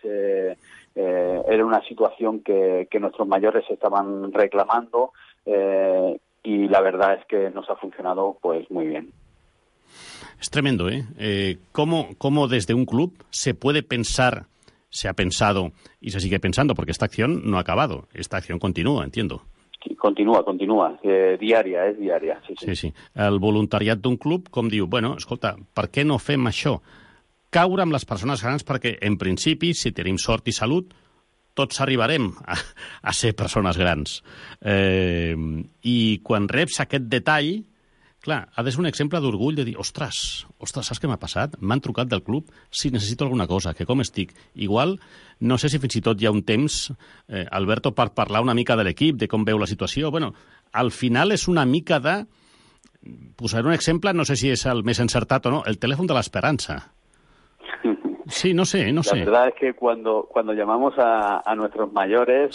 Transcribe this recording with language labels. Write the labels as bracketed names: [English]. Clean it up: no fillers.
[Spanish] Era una situación que nuestros mayores estaban reclamando, y la verdad es que nos ha funcionado pues muy bien. Es tremendo, ¿eh? ¿Cómo desde un club se puede pensar? Se ha pensado y se sigue pensando, porque esta acción no ha acabado. Esta acción continúa, entiendo. Sí, continúa. [Catalan] Diària, és diària. Sí, sí, sí. El voluntariat d'un club, com diu, bueno, escolta, per què no fem això? Caure amb les persones grans, perquè, en principi, si tenim sort i salut, tots arribarem a ser persones grans. I quan reps aquest detall, clar, ha de ser un exemple d'orgull de dir, ostres, saps què m'ha passat? M'han trucat del club, si necessito alguna cosa, que com estic? Igual, no sé si fins i tot hi ha un temps, Alberto, per parlar una mica de l'equip, de com veu la situació. Bueno, al final és una mica de... Posar un exemple, no sé si és el més encertat o no, el telèfon de l'esperança. Sí, no sé, no sé. [Spanish] La verdad es que cuando llamamos a nuestros mayores,